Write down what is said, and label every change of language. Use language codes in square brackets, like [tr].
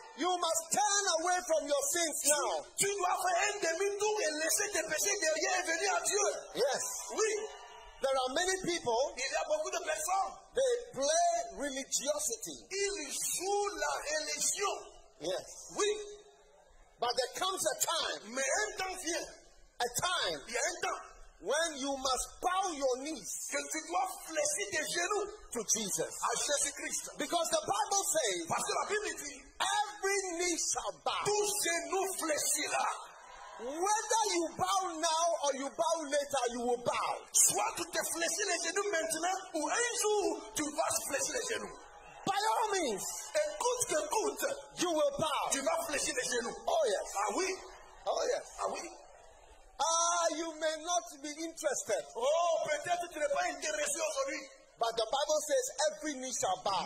[en] You must turn away from your sins now. [fr] Tu dois faire un demi-tour et laisser tes péchés derrière et venir à Dieu. [en] Yes. [fr] Oui. [en] There are many people. [fr] Il y a beaucoup de personnes. [en] They play religiosity. [fr] Ils jouent la religion. [en] Yes. [fr] Oui. [en] But there comes a time. [fr] Mais un temps vient. [en] A time. [fr] Il y a un temps. [en] When you must bow your knees, [fr] que tu dois fléchir tes genoux, [en] to Jesus, [fr] à Jésus Christ, [en] because the Bible says, [fr] parce que la Bible dit, [en] every knee shall bow, [fr] tout genou fléchira. [en] Whether you bow now or you bow later, you will bow. [fr] Soit tu te fléchis les genoux maintenant ou un jour tu vas fléchir les genoux. [en] By all means, [fr] et coûte que coûte, [en] you will bow. [fr] Tu vas fléchir les genoux. [en] Oh yes. [fr] Ah oui. [en] Oh yes. [fr] Ah oui. [en] You may not be interested. [fr] Oh, peut-être tu n'es pas intéressé aujourd'hui. [en] But the Bible says every knee shall bow.